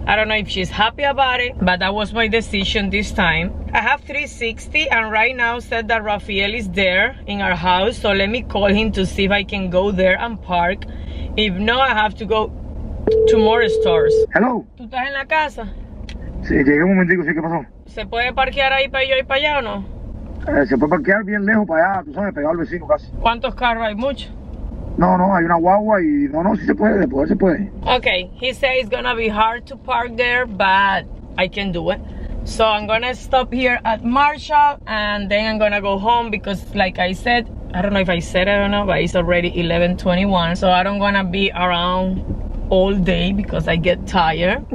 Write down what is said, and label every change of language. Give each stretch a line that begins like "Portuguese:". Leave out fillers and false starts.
English: I don't know if she's happy about it, but that was my decision this time. I have 360 and right now said that Rafael is there in our house. So let me call him to see if I can go there and park. If not, I have to go to more stores. Hello.
Spanish: ¿Tú estás en la casa? Sí, llegué un momentico, sí, ¿qué pasó? ¿Se puede parquear ahí para yo ir para allá o no? Se puede parquear bien lejos para allá, tú sabes, pegado al vecino casi. ¿Cuántos carros hay? Mucho. No, hay una guagua y no, si se puede, después se puede.
English: Okay, he said it's gonna be hard to park there, but I can do it. So I'm gonna stop here at Marshall and then I'm gonna go home because like I said, I don't know if I said it or not, but it's already 11:21. So I don't wanna be around all day because I get tired.